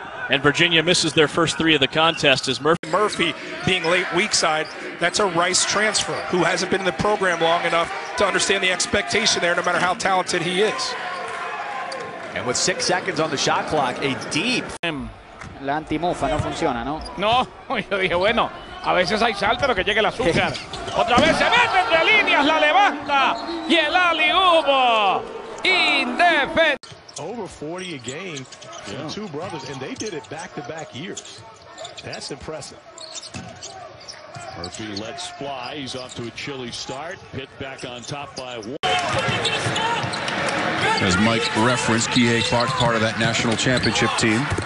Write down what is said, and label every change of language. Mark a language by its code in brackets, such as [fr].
[en] And Virginia misses their first three of the contest as Murphy. Murphy being late weak side, that's a Rice transfer who hasn't been in the program long enough to understand the expectation there no matter how talented he is. And with 6 seconds on the shot clock, a deep. [es] La antimufa no funciona, no? No, yo dije, bueno, a veces hay sal, pero que llegue el azúcar. Otra vez se mete entre líneas, la levanta, y el alley-oop, indefensa. [en] Over 40 a game, yeah. The two brothers, and they did it back-to-back years. That's impressive. Murphy lets fly. He's off to a chilly start. Hit back on top by as Mike referenced, Kihei Clark, part of that national championship team.